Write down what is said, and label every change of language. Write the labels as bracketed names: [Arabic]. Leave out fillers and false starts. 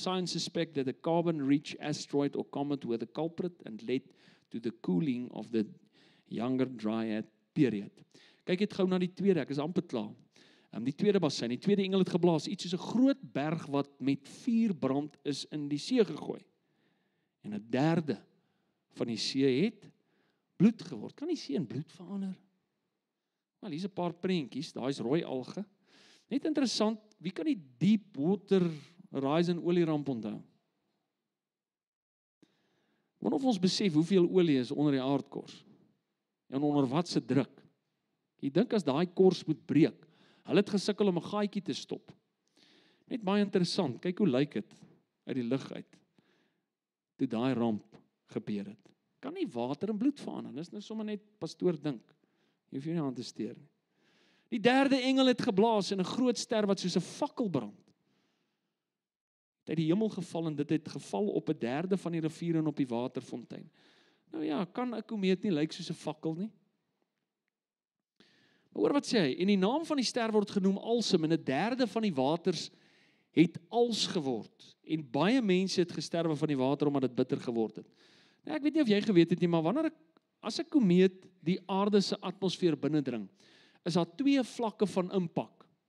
[English] Science suspect that a carbon-rich asteroid or comet were the culprit and led to the cooling of the Younger Dryad period. [Afrikaans] Kyk net gou na die tweede, ek is amper klaar. Die tweede basyn, die tweede engel het geblaas, iets soos 'n groot berg wat met vuur brand is in die see gegooi. En 'n derde van die see het bloed geword. Kan die see in bloed verander? Wel, hier's 'n paar prentjies, daai is rooi alge. Net interessant, wie kan die deep water horizon olie ramp onthou? Want of ons besef hoeveel olie is onder die aardkors en onder watse druk. Jy dink as daai kors moet breek, hulle het gesukkel om 'n gaatjie te stop. Net baie interessant, kyk hoe lyk dit uit die lug uit toe daai ramp gebeur het. Kan nie water in bloed verander, dis nou sommer net pastoor dink. Jy hoef jou nie aan te steur nie. Die derde engel het geblaas en 'n groot ster wat soos 'n fakkel brand. Het het die hemel geval en dit het geval op 1/3 van die rivier en op die waterfontein. Nou ja, kan een komeet nie lyk soos 'n fakkel nie? Maar hoor wat sê hy, en die naam van die ster word genoem Alsem en 1/3 van die waters het als geword. En baie mense het gesterwe van die water omdat het bitter geword het. Nou, ek weet nie of jy geweet het nie, maar wanneer as 'n komeet die aarde se atmosfeer binnendring, is daar 2 vlakke van impak.